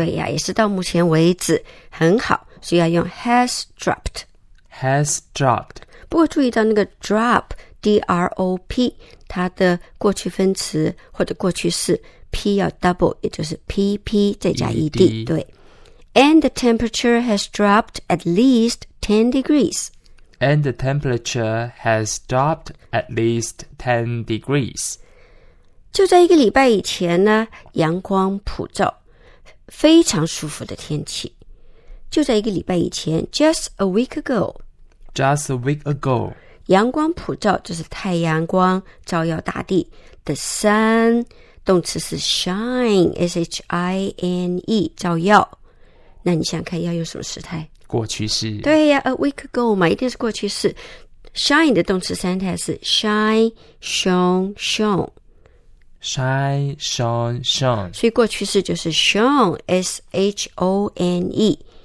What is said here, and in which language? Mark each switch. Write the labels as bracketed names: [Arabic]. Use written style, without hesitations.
[Chinese] 对呀、啊，也是到目前为止很好，所以要用 [English] has dropped。 has dropped。 [Chinese] 不过注意到那个 drop d r o p， 它的过去分词或者过去式 p 要 double， 也就是 p p 再加 e d。对。 [English] And the temperature has dropped at least 10 degrees。 And the temperature has dropped at least 10 degrees. [Chinese] 就在一个礼拜以前呢，阳光普照，非常舒服的天气。就在一个礼拜以前 , [English] just a week ago. Just a week ago. [Chinese] 阳光普照就是太阳光照耀大地。 [English] The sun, [Chinese] 动词是 shine, S-H-I-N-E, 照耀。那你想看要用什么时态？过去式。对呀， a week ago 嘛，一定是过去式。 Shine 的动词三态是 shine, shone, shone。 [English] Shine, shone, shone。 [Chinese] 所以过去式就是 shone, S-H-O-N-E。